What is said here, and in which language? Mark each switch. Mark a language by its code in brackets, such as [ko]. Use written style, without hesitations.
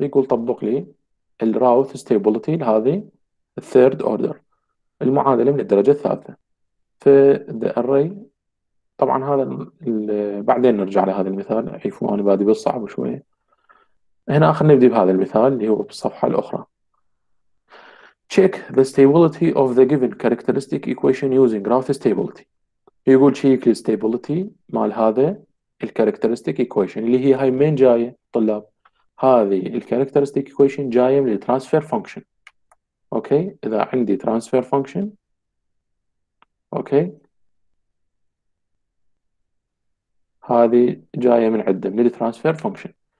[ar] يقول طبق لي الراوث ستيبلتي لهذه الثيرد اوردر، المعادله من الدرجه الثالثه في ذا اري. طبعا هذا بعدين نرجع لهذا المثال، عيفوا انا بادي بالصعب شويه. هنا خلينا نبدا بهذا المثال اللي هو بالصفحه الاخرى. [en] check the stability of the given characteristic equation using route stability. [ar] يقول شيك الستيبلتي مال هذا الكاركترستيك ايكويشن اللي هي هاي مين جايه طلاب؟ هذه الكاركترستيك ايكويشن جايه من الترانسفير فانكشن. اوكي، اذا عندي ترانسفير فانكشن اوكي هذه جايه من عنده من الترانسفير فانكشن.